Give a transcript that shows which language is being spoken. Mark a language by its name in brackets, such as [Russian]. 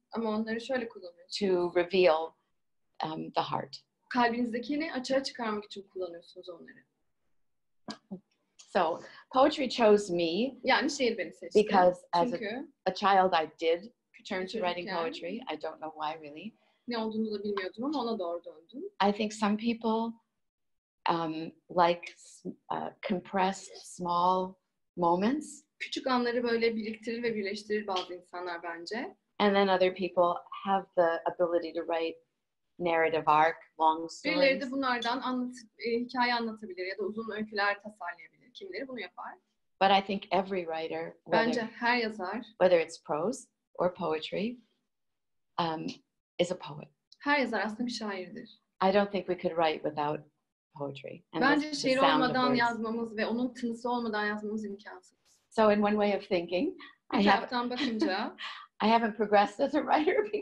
[Turkish] Ama onları şöyle kullanıyorsunuz. [English] To reveal the heart. [Turkish] Kalbinizdekini açığa çıkarmak için kullanıyorsunuz onları. [English] So, poetry chose me. [Turkish] Yani şiir beni seçti. [English] Because as a child I did turn to writing poetry. I don't know why really. [Turkish] Ne olduğunu da bilmiyordum ama ona doğru döndüm. [English] I think some people like compressed small moments. [Turkish] Küçük anları böyle biriktirir ve birleştirir bazı insanlar bence. [English] And then other people have the ability to write narrative arc, long stories. [Turkish] Birileri de bunlardan hikaye anlatabilir ya da uzun öyküler tasarlayabilir. Kimileri bunu yapar. [English] But I think every writer, [Turkish] bence her yazar, [English] whether it's prose or poetry, is a poet. [Turkish] Her yazar aslında bir şairdir. [English] I don't think we could write without poetry. [Turkish] And bence şiir olmadan yazmamız ve onun tınısı olmadan yazmamız imkansız. [English] So in one way of thinking, I haven't progressed as a writer because